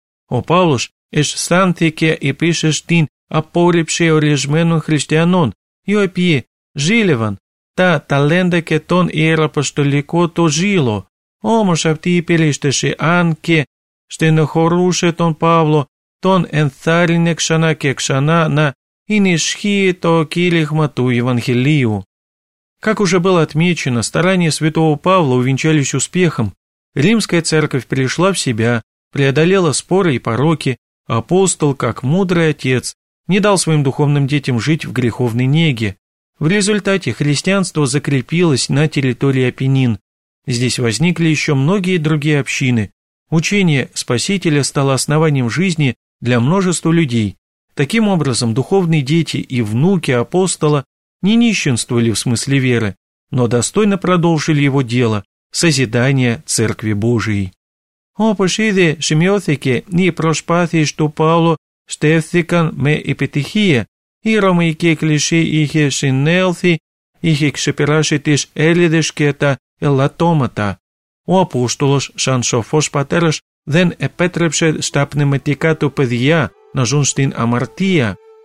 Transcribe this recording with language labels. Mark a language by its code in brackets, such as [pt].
[el] Ο Παύλος αισθάνθηκε επίσης την απόρριψη ορισμένων χριστιανών, οι οποίοι ζήλευαν τα ταλέντα και τον ιεραποστολικό το ζήλο. Όμως αυτή η περίσταση, αν και στενοχωρούσε τον Παύλο, τον ενθάρρυνε ξανά και ξανά να ενισχύει το κήρυγμα του Ευαγγελίου. [ru] Как уже было отмечено, старания святого Павла увенчались успехом. Римская церковь пришла в себя, преодолела споры и пороки, апостол, как мудрый отец, не дал своим духовным детям жить в греховной неге. В результате христианство закрепилось на территории Апеннин. Здесь возникли еще многие другие общины. Учение Спасителя стало основанием жизни для множества людей. Таким образом, духовные дети и внуки апостола не нищенствовали в смысле веры, но достойно продолжили его дело – созидание Церкви Божией. [el] Όπως ήδη σημειώθηκε, οι προσπάθειες του Παύλου στέφθηκαν με επιτυχία. Η Ρωμαϊκή Εκκλησία είχε συνέλθει, είχε ξεπεράσει τις Έλληδες και τα ελαττώματα. Ο Απόστολος, σαν σοφός πατέρας, δεν επέτρεψε στα πνευματικά του παιδιά να ζουν στην αμαρτία.